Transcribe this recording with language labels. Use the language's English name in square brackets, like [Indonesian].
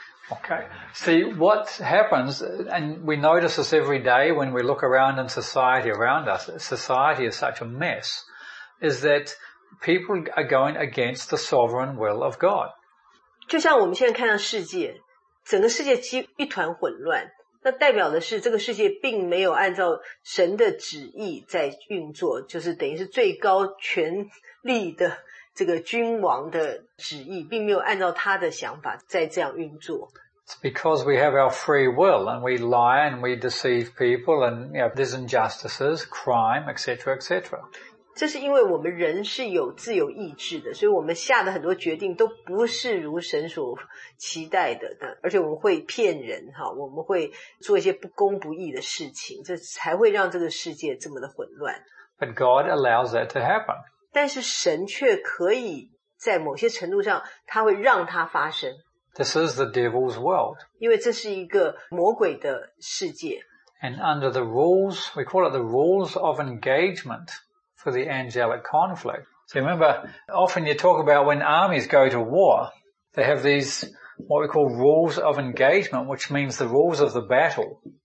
[English] Okay, see what happens, and we notice this every day when we look around in society around us, society is such a mess, is that people are going against the sovereign will of God. [Chinese] 就像我们现在看到世界, 整个世界一团混乱, 那代表的是这个世界并没有按照神的旨意在运作, 就是等于是最高权力的这个君王的旨意, 并没有按照他的想法在这样运作。 [English] It's because we have our free will, and we lie and we deceive people, and you know, there's injustices, crime, etc., etc. [Chinese] 这是因为我们人是有自由意志的, 所以我们下的很多决定都不是如神所期待的, 而且我们会骗人, 我们会做一些不公不义的事情, 这才会让这个世界这么的混乱。 [English] But God allows that to happen. [Chinese] 但是神却可以在某些程度上, 祂会让它发生。 [English] This is the devil's world. [Chinese] 因为这是一个魔鬼的世界。 [English] And under the rules, we call it the rules of engagement. For the angelic conflict. So remember, often you talk about when armies go to war, they have these, what we call rules of engagement, which means the rules of the battle.